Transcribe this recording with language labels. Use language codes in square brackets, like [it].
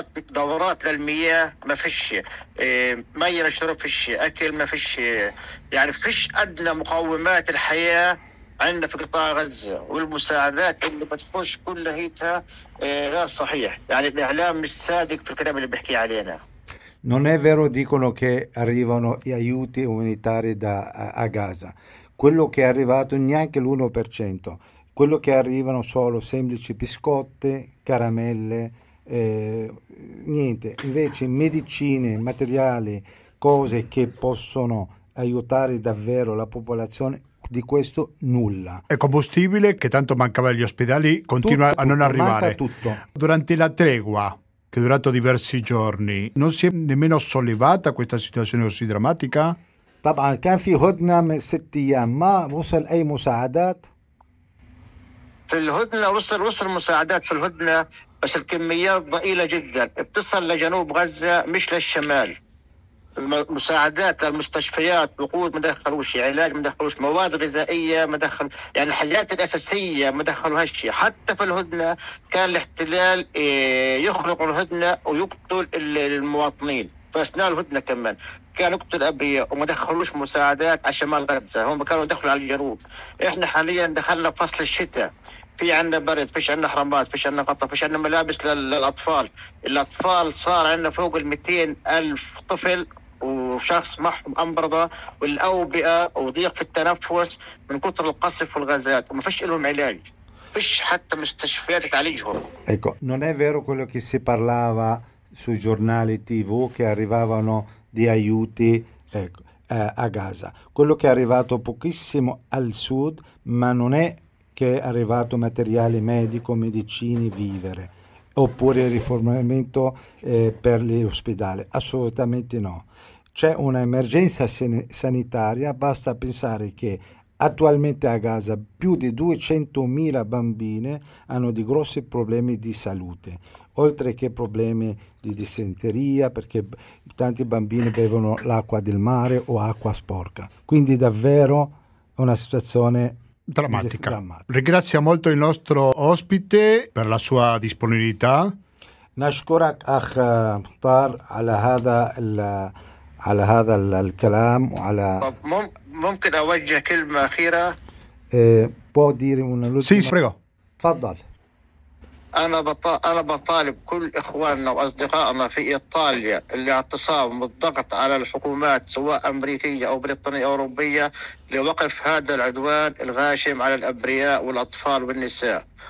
[ar] دورات للمياه ما فيش ميه للشرب فيش اكل ما فيش يعني فيش ادنى مقومات الحياه عندنا في قطاع غزه والمساعدات اللي بتخش كلها هيتها غير صحيح يعني الاعلام مش صادق في الكلام اللي بيحكي علينا. [it] Non è vero, dicono che arrivano gli aiuti umanitari a Gaza. Quello che è arrivato neanche l'1%. Quello che arrivano solo semplici biscotte, caramelle, niente. Invece medicine, materiali, cose che possono aiutare davvero la popolazione, di questo nulla. È combustibile che tanto mancava agli ospedali, continua tutto, a non arrivare. Manca tutto. Durante la tregua, che è durato diversi giorni, non si è nemmeno sollevata questa situazione così drammatica? [ar] طبعا كان في هدنة من ست أيام ما وصل أي مساعدات في الهدنة وصل مساعدات في الهدنة بس الكميات ضئيلة جدا بتصل لجنوب غزة مش للشمال مساعدات للمستشفيات وقود مدخلوش علاج مدخلوش مواد غذائية مدخل يعني الحاجات الأساسية مدخلوا هالشي حتى في الهدنة كان الاحتلال يخرق الهدنة ويقتل المواطنين فأثناء الهدنة كمان كانوا يقتل أبرياء وما دخلوش مساعدات على شمال غزة هم كانوا دخلوا على الجنوب إحنا حاليا دخلنا فصل الشتاء في عنا برد فيش عنا حرامات فيش عنا قطة فيش عنا ملابس للأطفال الأطفال صار عنا فوق 200,000 طفل وشخص معهم أمرضة والأوبئة وضيق في التنفس من كثر القصف والغازات وما فيش لهم علاج فيش حتى مستشفيات تعالجهم [it] ecco non è vero quello che si parlava sui giornali TV che arrivavano di aiuti a Gaza. Quello che è arrivato pochissimo al sud, ma non è che è arrivato materiale medico, medicine, vivere, oppure il rifornimento per l'ospedale. Assolutamente no. C'è un'emergenza sanitaria, basta pensare che attualmente a Gaza più di 200,000 bambine hanno di grossi problemi di salute, oltre che problemi di dissenteria, perché tanti bambini bevono l'acqua del mare o acqua sporca. Quindi davvero una situazione drammatica. Ringrazio molto il nostro ospite per la sua disponibilità. [ar] نشكرك أخ طار على هذا على هذا الكلام وعلى ممكن أوجه كلمة أخيرة؟ [it] può dire una l'ultima. Sì, prego. [ar] تفضل. أنا بطالب كل إخواننا وأصدقائنا في إيطاليا اللي اعتصام والضغط على الحكومات سواء أمريكية أو بريطانية أو أوروبية لوقف هذا العدوان الغاشم على الأبرياء والأطفال والنساء